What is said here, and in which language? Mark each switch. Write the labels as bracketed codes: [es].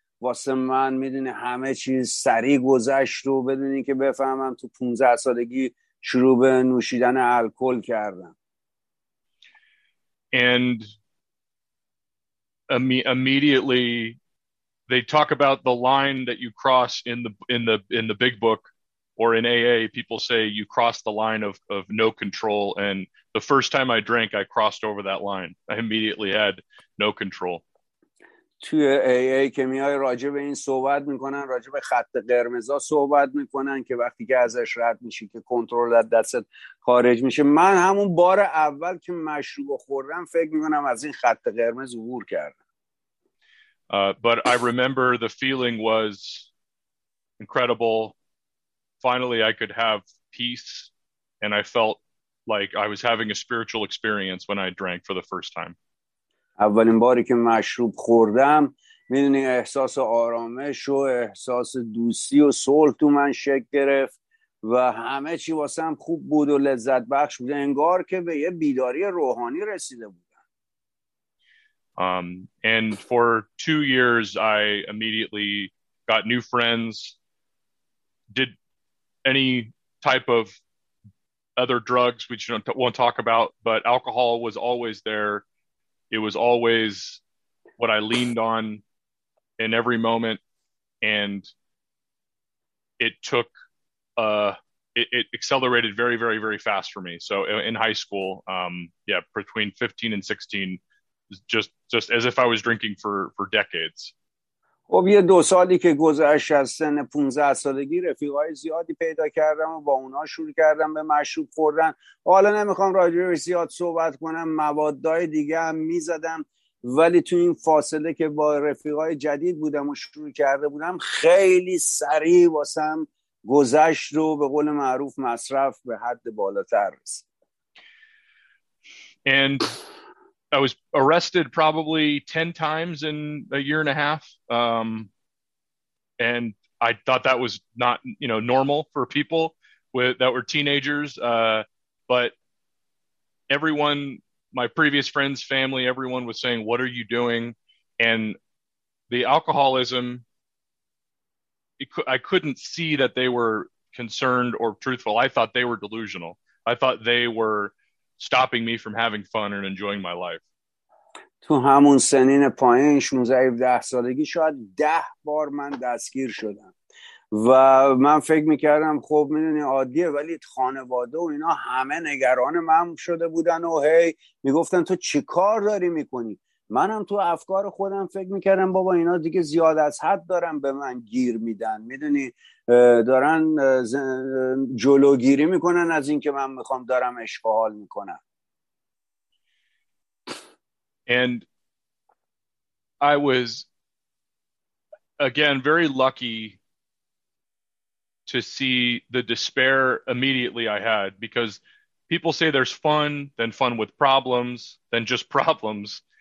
[fa] واسه من میدونی همه چیز سریع گذشت و بدون اینکه بفهمم تو 15 سالگی شروع به نوشیدن الکل کردم. [en] And immediately they talk about the line that you cross in the big book or in AA. People say you cross the line of no control, and the first time I drank I crossed over that line. I immediately had no control. [fa] توی AA که میای راجع به این صحبت میکنن، راجع به خط قرمزا صحبت میکنن که وقتی که ازش رد میشی که کنترل از دستت خارج میشه. من همون بار اول که مشروب خوردم فکر میکنم از این خط قرمز عبور کردم. [en] But I remember the feeling was incredible. Finally I could have peace and I felt like I was having a spiritual experience when I drank for the first time. [fa] اولین باری که مشروب خوردم میدونی احساس آرامش و احساس دوستی و صلح تو من شکل گرفت و همه چی واسم خوب بود و لذت بخش بود، انگار که به یه بیداری روحانی رسیده بودم. [en] And for 2 years I immediately got new friends, did any type of other drugs which you won't talk about, but alcohol was always there. It was always what I leaned on in every moment, and it took it accelerated very, very, very fast for me. So in high school, yeah, between 15 and 16, just as if I was drinking for decades. [fa] خب یه دو سالی که گذشت از سن 15 سالگی رفیقای زیادی پیدا کردم و با اونا شروع کردم به مشروب خوردن. حالا نمیخوام راجع به زیاد صحبت کنم، موادای دیگه هم میزدم، ولی تو این فاصله که با رفیقای جدید بودم و شروع کرده بودم خیلی سریع واسم گذشت رو به قول معروف مصرف به حد بالاتر رسید. [en] And I was arrested probably 10 times in a year and a half. And I thought that was not, you know, normal for people with that were teenagers. But everyone, my previous friends, family, everyone was saying, what are you doing? And the alcoholism, I couldn't see that they were concerned or truthful. I thought they were delusional. I thought they were stopping me from having fun and enjoying my life. [fa] تو همون سنین پایین 16-17 سالگی شاید 10 بار من دستگیر شدم و من فکر میکردم خب میدونی عادیه، ولی خانواده و اینا همه نگران من شده بودن و هی میگفتن تو چی کار داری میکنی. منم تو افکار خودم فکر میکردم بابا اینا دیگه زیاد از حد دارن به من گیر میدن، میدونی دارن جلوگیری میکنن از این که من میخوام دارم عشق و حال میکنم. [en] And I was, again, very lucky to see the despair immediately I had, because people say there's fun, then fun with problems, then just problems.